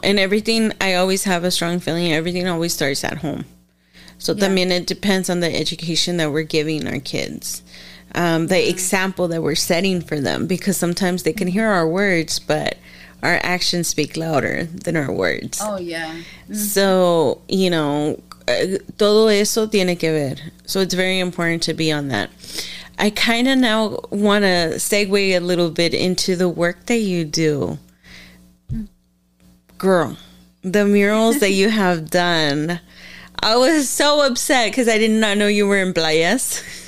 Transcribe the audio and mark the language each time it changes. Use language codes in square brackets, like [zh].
[en] And everything, I always have a strong feeling, everything always starts at home. So yeah. I mean, it depends on the education that we're giving our kids, the yeah. example that we're setting for them, because sometimes they can hear our words, but our actions speak louder than our words. Oh, yeah. Mm-hmm. So, you know, [es] todo eso tiene que ver. [en] So it's very important to be on that. I kind of now want to segue a little bit into the work that you do. Girl, the murals that you have done. I was so upset because I did not know you were in Playas.